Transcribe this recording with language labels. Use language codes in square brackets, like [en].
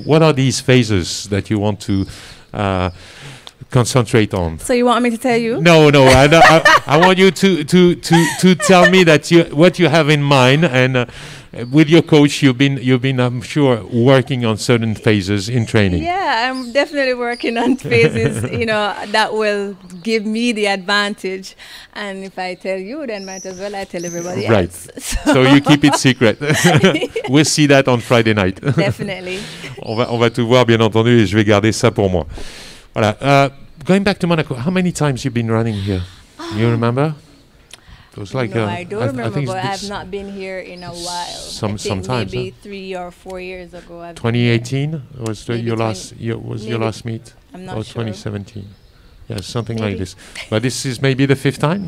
[en] What are these phases that you want to concentrate on? So you want me to tell you? No. I want you to tell me that what you have in mind and. With your coach, you've been, I'm sure, working on certain phases in training. Yeah, I'm definitely working on phases, you know, that will give me the advantage. And if I tell you, then might as well I tell everybody else. Right. So you keep it secret. We'll see that on Friday night. Definitely. [fr] On va tout voir, bien entendu, et je vais garder ça pour moi. Voilà. [en] Going back to Monaco, how many times you've been running here? Do you remember? I don't remember, but I have not been here in a while. Sometimes, maybe 3 or 4 years ago. 2018 was your last. Your last meet? I'm not sure. Or 2017? Yeah, something maybe. Like this. But this is maybe the fifth time.